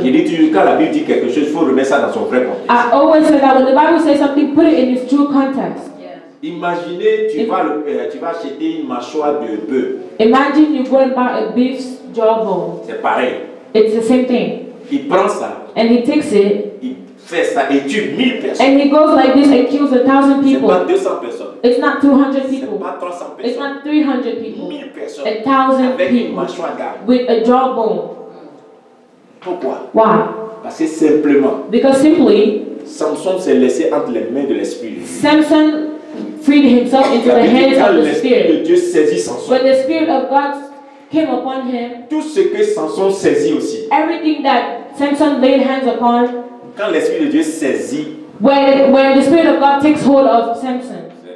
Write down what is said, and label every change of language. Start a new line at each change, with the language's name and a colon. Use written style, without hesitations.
French: Il dit toujours quand la Bible dit quelque chose, il faut remettre ça dans son vrai contexte.
English: I always say that when the Bible says something, put it in its true context.
French: Imaginez, tu vas acheter une mâchoire de bœuf.
English: Imagine you go and buy a beef's jawbone.
French: C'est pareil.
English: It's the same thing.
French: Il prend ça.
English: And he takes it.
French: Il fait ça et tue 1,000 personnes.
English: And he goes like this and kills 1,000 people.
French: C'est pas 200 personnes.
English: It's not 200 people.
French: C'est pas 300 personnes.
English: It's not 300 people.
French: 1,000 personnes.
English: 1,000 people.
French: Avec une mâchoire d'âne.
English: With a jawbone.
French: Pourquoi?
English: Why?
French: Parce que simplement.
English: Because simply.
French: Samson s'est laissé entre les mains de l'Esprit.
English: Samson freed himself into the hands of the Spirit.
French: De Dieu saisit Samson.
English: When the Spirit of God came upon him.
French: Tout ce que Samson saisit aussi.
English: Everything that Samson laid hands upon.
French: Quand l'Esprit de Dieu saisit.
English: When the Spirit of God takes hold of Samson.